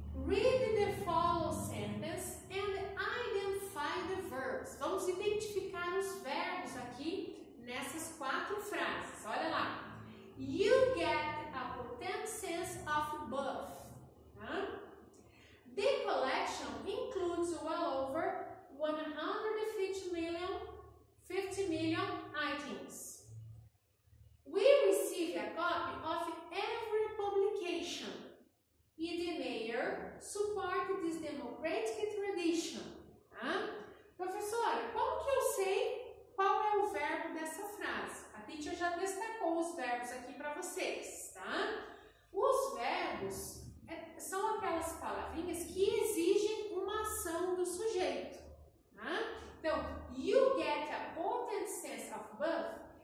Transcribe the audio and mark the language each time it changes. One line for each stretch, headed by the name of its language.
English: Read the following sentence and identify the verbs.
Portuguese: Vamos identificar os verbos aqui nessas quatro frases. Olha lá.
English: You get a potent sense of buff. The collection includes well over 150 million items. We receive a copy of every publication. E the mayor support this democratic tradition. Tá?
Portuguese: Professora, como que eu sei qual é o verbo dessa frase? A teacher já destacou os verbos aqui para vocês. Tá? Os verbos são aquelas palavrinhas que exigem uma ação do sujeito. Tá?
English: Então, you get a potent sense of both.